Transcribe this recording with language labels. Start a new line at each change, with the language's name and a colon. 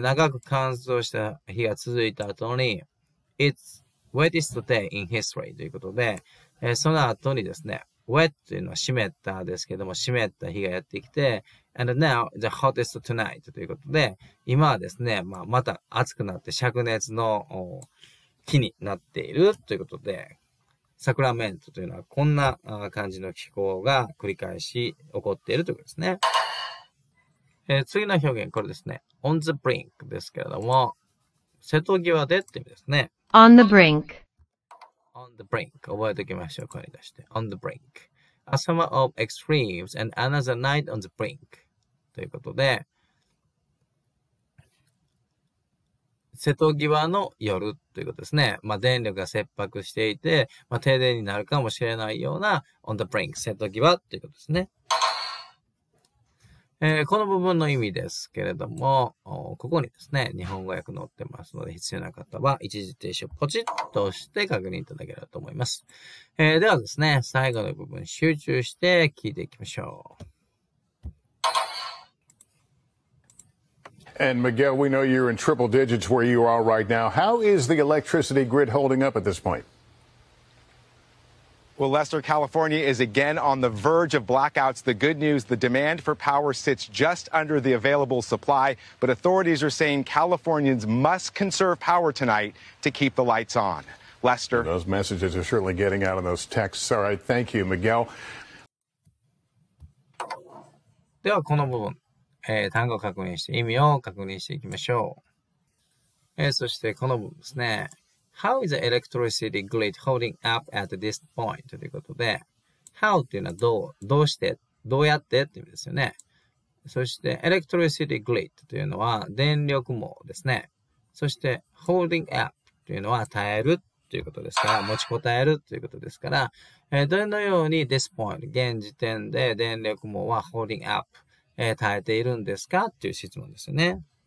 Japanese: 長く乾燥した日が続いた後に、
English: it's wettest day in history
Japanese: ということで、その後にですね、wet というのは湿ったですけども、湿った日がやってきて、
English: and now the hottest tonight
Japanese: ということで、今はですね、まあ、また暑くなって灼熱の気になっているということで、サクラメントというのはこんな感じの気候が繰り返し起こっているということですね。次の表現、これですね。
English: on the brink
Japanese: ですけれども、瀬戸際でって意味ですね。
English: on the brink. on the brink.
Japanese: 覚えておきましょう。声に出して。
English: on the brink. a summer of extremes and another night on the brink.
Japanese: ということで、瀬戸際の夜ということですね。まあ、電力が切迫していて、まあ、停電になるかもしれないような
English: on the brink.
Japanese: 瀬戸際ということですね。この部分の意味ですけれども、ここにですね、日本語訳載ってますので、必要な方は一時停止をポチッとして確認いただければと思います。ではですね、最後の部分集中して聞いていきましょう。
English: And Miguel, we know you're in triple digits where you are right now. How is the electricity grid holding up at this point? Well, Lester, California is again on the verge of blackouts. The good news, the demand for power sits just under the available supply, but authorities are saying Californians must conserve power tonight to keep the lights on. Lester. Those messages are certainly getting out of those texts. All right. Thank you, Miguel.
Japanese: ではこの部分、単語確認して意味を確認していきましょう。そしてこの部分ですね。
English: How is the electricity grid holding up at this point?
Japanese: ということで、How っていうのはどうして、どうやってって意味ですよね。そして、electricity grid というのは電力網ですね。そして、holding up というのは耐えるということですから、持ちこたえるということですから、どのように
English: this point、
Japanese: 現時点で電力網は holding up、耐えているんですかっていう質問ですよね。